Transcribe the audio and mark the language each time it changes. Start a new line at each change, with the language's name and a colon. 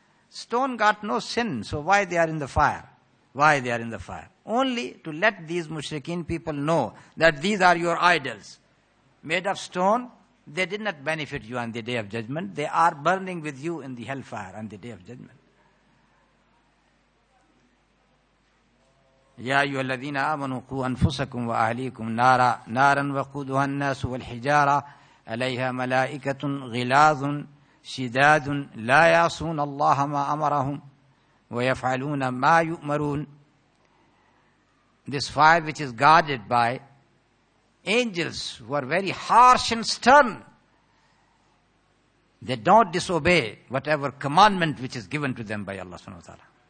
English: Stone got no sin, so why they are in the fire? Why they are in the fire? Only to let these mushrikeen people know that these are your idols. Made of stone, they did not benefit you on the day of judgment. They are burning with you in the hellfire on the day of judgment.
Arabic: يا أيها الذين آمنوا قوا أنفسكم وأهليكم نارا نارا وقودها الناس والحجارة عليها ملائكة غلاظ شداد لا يعصون الله ما أمرهم ويفعلون ما يؤمرون.
English: This fire which is guarded by angels who are very harsh and stern. They don't disobey whatever commandment which is given to them by Allah subhanahu wa ta'ala.